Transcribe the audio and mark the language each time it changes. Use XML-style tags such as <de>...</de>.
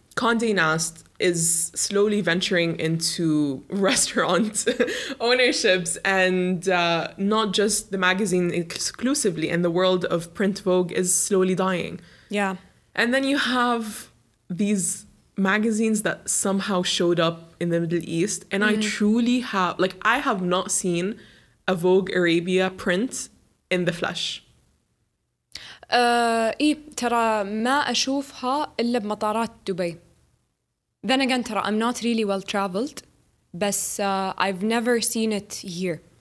<en>Condé Nast is slowly venturing into restaurant ownerships and not just the magazine exclusively, and the world of print Vogue is slowly dying. Yeah. And then you have these magazines that somehow showed up in the Middle East, and I truly have, like, I have not seen a Vogue Arabia print in the flesh.</en> <ar>إيه ترى ما أشوفها إلا بمطارات دبي.</ar> <en>Then again, ترى I'm not really well traveled, بس I've never seen it here.</en>